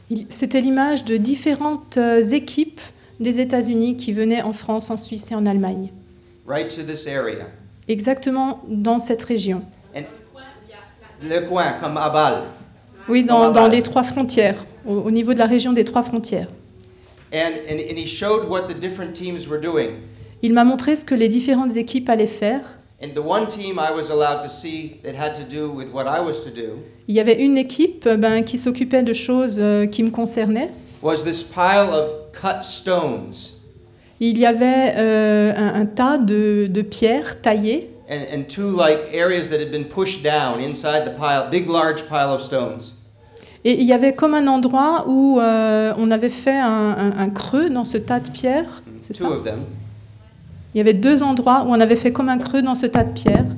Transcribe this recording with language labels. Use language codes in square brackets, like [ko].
[fr] C'était l'image de différentes équipes des États-Unis qui venaient en France, en Suisse et en Allemagne. [en] Right to this area. [fr] Exactement dans cette région. Dans le coin, le coin, comme à Bâle. Oui, dans les trois frontières, au niveau de la région des trois frontières. [en] And he showed what the different teams were doing. [fr] Il m'a montré ce que les différentes équipes allaient faire. [en] And the one team I was allowed to see that had to do with what I was to do. [fr] Il y avait une équipe qui s'occupait de choses qui me concernaient. [en] Was this pile of cut stones. [fr] Il y avait un tas de pierres taillées. [en] And two like areas that had been pushed down inside the pile, big large pile of stones. [fr] Et il y avait comme un endroit où on avait fait un creux dans ce tas de pierres, c'est [en] two [fr] ça [en] of them. [fr] Il y avait deux endroits où on avait fait comme un creux dans ce tas de pierres.